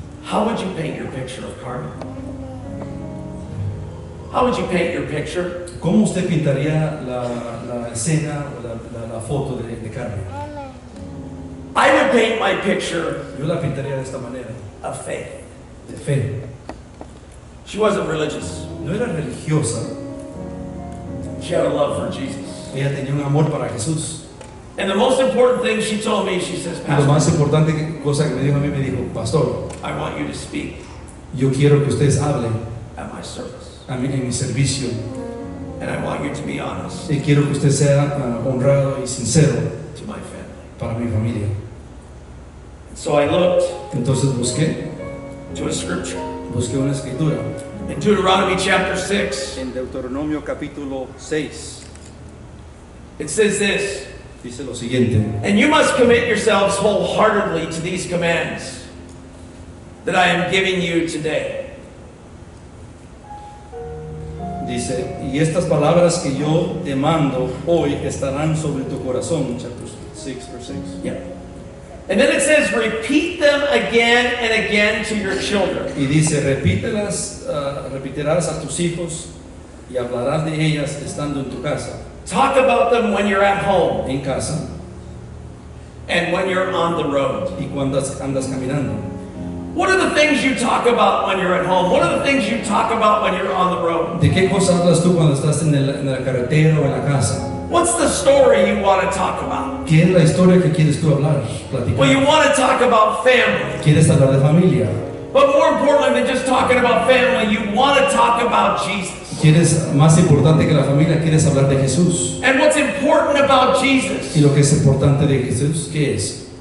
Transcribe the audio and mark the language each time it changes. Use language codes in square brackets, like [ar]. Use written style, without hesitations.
[en] How would you paint your picture of Carmen? How would you paint your picture? [es] ¿Cómo usted pintaría la escena o la foto de Carmen? [en] I would paint my picture. [es] Yo la pintaría de esta manera. [en] Of faith. [es] De fe. [en] She wasn't religious. [es] No era religiosa. [en] She had a love for Jesus. [es] Ella tenía un amor para Jesús. [en] And the most important thing she told me, she says, Pastor. [es] Y lo más importante cosa que me dijo a mí, me dijo, Pastor. [en] I want you to speak. [es] Yo quiero que ustedes hablen. [en] At my service. [es] En mi servicio. [en] And I want you to be honest. [es] Y quiero que usted sea honrado y sincero. [en] To my family. [es] Para mi familia. [en] So I looked. [es] Entonces busqué. [en] To a scripture. [es] Busqué una escritura. [en] In Deuteronomy chapter 6. [es] En Deuteronomio capítulo 6. [en] It says this. [es] Dice lo siguiente. [en] And you must commit yourselves wholeheartedly to these commands that I am giving you today. [es] Dice, y estas palabras que yo te mando hoy estarán sobre tu corazón. [en] Chapter 6, verse 6. Yeah. And then it says, repeat them again and again to your children. [es] Y dice, repítelas, repetirás a tus hijos y hablarás de ellas estando en tu casa. [en] Talk about them when you're at home. [es] En casa. [en] And when you're on the road. [es] Y cuando andas caminando. [en] What are the things you talk about when you're at home? What are the things you talk about when you're on the road? [es] ¿De qué cosas hablas tú cuando estás en la carretera o en la casa? [en] What's the story you want to talk about? [es] ¿Qué es la historia que quieres tú hablar, platicar? [en] Well, you want to talk about family. [es] ¿Quieres hablar de familia? [en] But more importantly than just talking about family, you want to talk about Jesus. [es] ¿Quieres, más importante que la familia, quieres hablar de Jesús? [en] And what's important about Jesus? [es] ¿Y lo que es importante de Jesús, qué es?